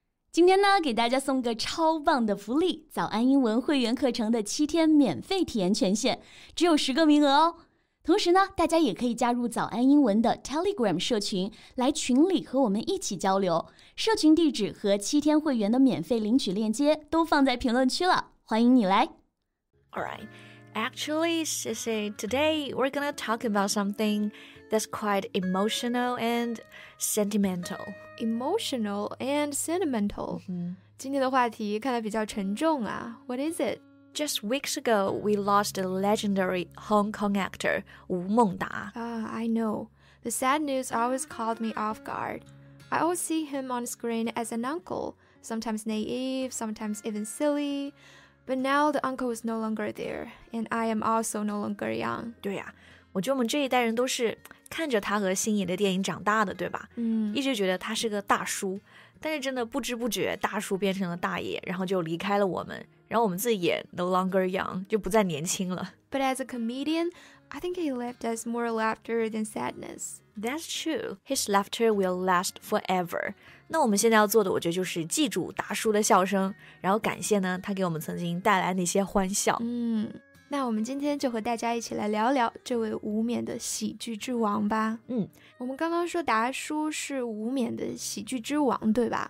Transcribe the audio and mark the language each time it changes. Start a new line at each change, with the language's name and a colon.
Chinese: 今天呢，给大家送个超棒的福利，早安英文会员课程的七天免费体验权限，只有十个名额哦。同时呢，大家也可以加入早安英文的 Telegram 社群，来群里和我们一起交流。社群地址和七天会员的免费领取链接都放在评论区了，欢迎你来。
English: Alright, actually, Sissy, today we're gonna talk about something that's quite emotional and sentimental. Emotional and sentimental. Mm-hmm.
Chinese: 今天的话题看来比较沉重啊。
English: What is it? Just weeks ago, we lost a legendary Hong Kong actor, 吴孟达。 I know. The sad news always caught me off guard. I always see him on screen as an uncle, sometimes naive, sometimes even silly. But now the uncle is no longer there, and I am also no longer young.
Chinese: 对呀、啊，我觉得我们这一代人都是看着他和星爷的电影长大的，对吧？嗯，一直觉得他是个大叔，但是真的不知不觉，大叔变成了大爷，然后就离开了我们，然后我们自己也
English: no longer young,
Chinese: 就不再年轻了。
English: But as a comedian, I think he left us more laughter than sadness. That's true. His laughter will last forever.
Chinese: 那我们现在要做的我觉得就是记住大叔的笑声，然后感谢呢他给我们曾经带来那些欢笑。嗯，那我们今天就和大家一起来聊聊这位无冕的喜剧之王吧。嗯，我们刚刚说达叔是无冕的喜剧之王，对吧？